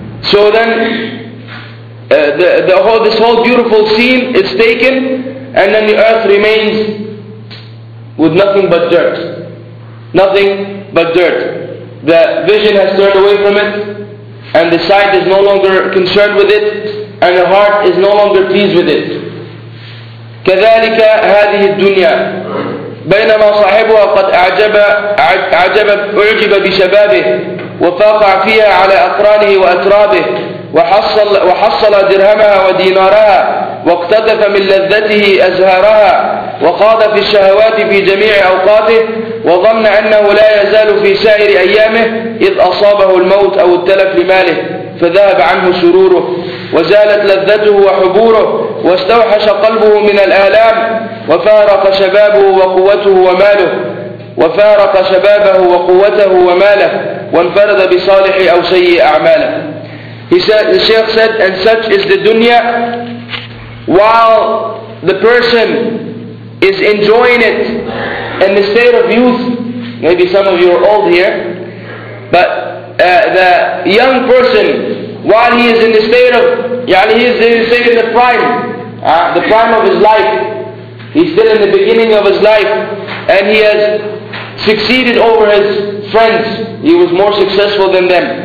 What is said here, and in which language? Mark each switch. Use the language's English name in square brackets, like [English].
[English] So then, this whole beautiful scene is taken, and then the earth remains with nothing but dirt. Nothing but dirt. The vision has turned away from it, and the sight is no longer concerned with it, and the heart is no longer pleased with it. [Arabic] كذلك هذه الدنيا بينما صاحبها قد أعجب بشبابه وفاقع فيها على أقرانه وأترابه وحصل درهمها ودينارها واقتطف من لذته أزهارها وقاض في الشهوات في جميع أوقاته وظن أنه لا يزال في سائر أيامه إذ أصابه الموت أو التلف لماله فذهب عنه سروره وزالت لذته وحبوره واستوحش قلبه من الآلام وفارق شبابه وقوته وماله وفارق شبابه وقوته وماله وانفرد بصالح أو سيء أعماله. [English] He said, the Shaykh said, and such is the dunya, while the person is enjoying it in the state of youth, maybe some of you are old here, but the young person, while he is in the state of, yani he is in the state of the prime of his life, he's still in the beginning of his life, and he has succeeded over his friends, he was more successful than them.